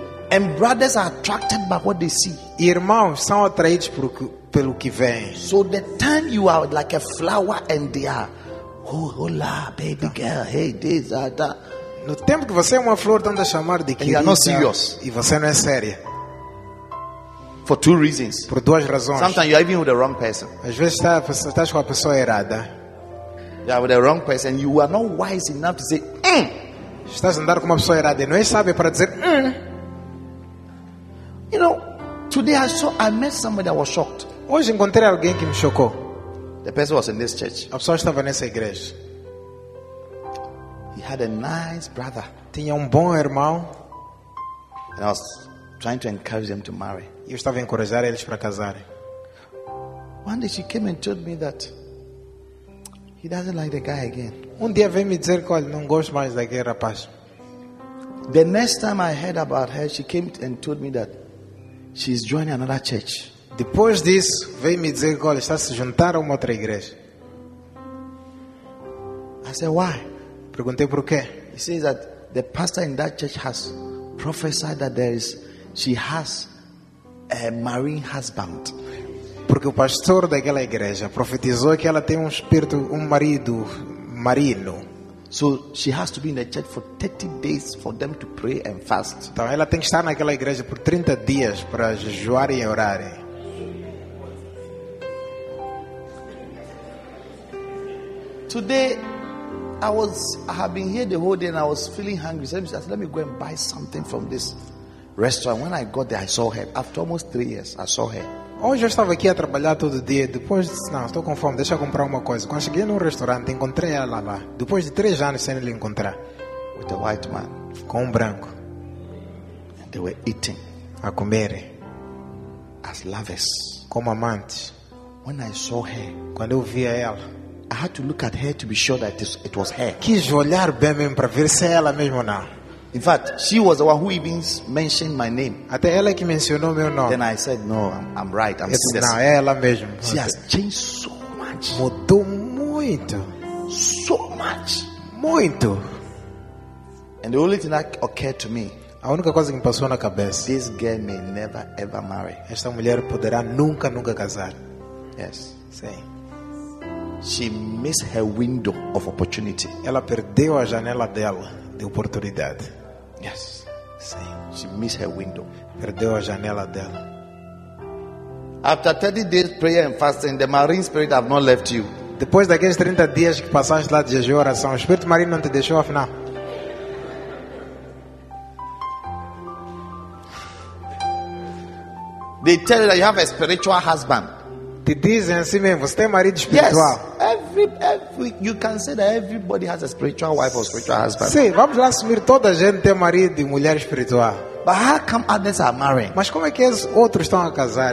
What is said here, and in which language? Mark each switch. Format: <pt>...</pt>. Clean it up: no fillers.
<en>And brothers are attracted by what they see.</en> <pt>Irmãos são atraídos pelo que vêem.</pt> <en>So the time you are like a flower and they are, oh, hola, baby girl, hey, this, that.</en> <pt>No tempo que você é uma flor, estão a chamar de querida.</pt> <en>And you are not serious.</en> <pt>E você não é séria.</pt> <en>For two reasons.</en> <pt>Por duas razões.</pt> <en>Sometimes you are even with the wrong person.</en> <pt>Às vezes estás com a pessoa errada.</pt> <en>You are with the wrong person. You are not wise enough to say,</en> <pt>Estás a andar com uma pessoa errada e não é sábio para dizer,</pt> <en>You know, today I met somebody that was shocked.</en> <pt>Hoje encontrei alguém que me chocou.</pt> <en>The person was in this church.</en> <pt>A pessoa estava nessa igreja.</pt> <en>He had a nice brother.</en> <pt>Tinha bom irmão.</pt> <en>And I was trying to encourage them to marry.</en> <pt>Eu estava a encorajar eles para casarem.</pt> <en>One day she came and told me that he doesn't like the guy again.</en> <pt>Dia veio me dizer que não gosto mais daquele rapaz.</pt> <en>The next time I heard about her, she came and told me that she's joining another church.</en> <pt>Depois disso, veio me dizer que está se juntar a uma outra igreja.</pt> <en>I said, why?</en> <pt>Perguntei por quê.</pt> <en>He says that the pastor in that church has prophesied that she has a marine husband.</en> <pt>Porque o pastor daquela igreja profetizou que ela tem marido marino.</pt> <en>So she has to be in the church for 30 days for them to pray and fast.</en> <pt>Então ela tem que estar naquela igreja por 30 dias para jejuar e orar.</pt> <en>Today I have been here the whole day and I was feeling hungry. So I said, let me go and buy something from this restaurant. When I got there, I saw her. After almost 3 years, I saw her.</en> <pt>Hoje eu estava aqui a trabalhar todo dia. Depois disse, não, estou com fome, deixa eu comprar uma coisa. Quando cheguei num restaurante, encontrei ela lá. Depois de 3 anos sem lhe encontrar.</pt> <en>With a white man.</en> <pt>Com branco.</pt> <en>And they were eating.</en> <pt>A comer.</pt> <en>As lovers.</en> <pt>Como amantes.</pt> <en>When I saw her.</en> <pt>Quando eu vi ela.</pt> <en>I had to look at her to be sure that it was her.</en> <pt>Quis olhar bem mesmo para ver se é ela mesmo ou não.</pt> <en>In fact, she was the one who even mentioned my name.</en> <pt>Até ela que mencionou meu nome.</pt> <en>Then I said, no, I'm right. I'm</en> <pt>serious. Não, é ela mesmo.</pt> <en>She has changed so much.</en> <pt>Mudou muito.</pt> <en>So much.</en> <pt>Muito.</pt> <en>And the only thing that occurred to me.</en> <pt>A única coisa que me passou na cabeça.</pt> <en>This girl may never ever marry.</en> <pt>Esta mulher poderá nunca, nunca casar.</pt> <en>Yes.</en> <pt>Sim.</pt> <en>She missed her window of opportunity.</en> <pt>Ela perdeu a janela dela. Oportunidade.</pt> <en>Yes.</en> <pt>Sim.</pt> <en>She missed her window.</en> <pt>Perdeu a janela dela.</pt> <en>After 30 days prayer and fasting, the marine spirit have not left you.</en> <pt>Depois daqueles 30 dias que passaste lá de jejum e oração, o espírito marinho não te deixou afinal.</pt> <en>They tell you that you have a spiritual husband.</en> <pt>Te dizem assim mesmo, você tem marido espiritual.</pt> <en>Yes. Every you can say that everybody has a spiritual wife or spiritual husband.</en> <pt>Sim, vamos lá assumir, toda a gente tem marido e mulher espiritual.</pt> <en>But how come others are marrying?</en> <pt>Mas como é que outros estão a casar?</pt>